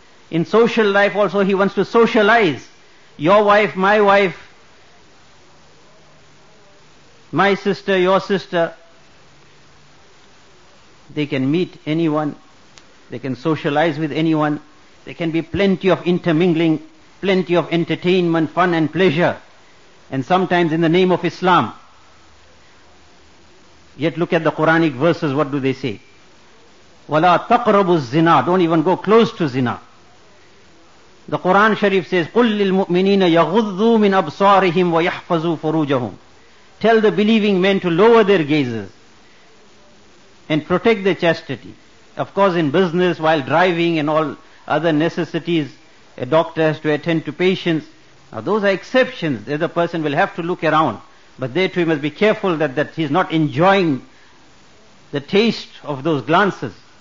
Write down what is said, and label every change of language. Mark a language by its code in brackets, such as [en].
[en] In social life also he wants to socialize. Your wife, my wife, my sister, your sister, they can meet anyone, they can socialize with anyone, there can be plenty of intermingling, plenty of entertainment, fun and pleasure, and sometimes in the name of Islam. Yet look at the Quranic verses, what do they say? [ar] وَلَا تَقْرَبُ الزِّنَا. [en] Don't even go close to zina. The Quran Sharif says, [ar] قُلْ لِلْمُؤْمِنِينَ يَغُضُّوا مِنْ أَبْصَارِهِمْ وَيَحْفَظُوا فُرُوجَهُمْ. [en] Tell the believing men to lower their gazes and protect their chastity. Of course, in business, while driving and all other necessities, a doctor has to attend to patients. Now those are exceptions. There the person will have to look around. But there too he must be careful that he is not enjoying the taste of those glances.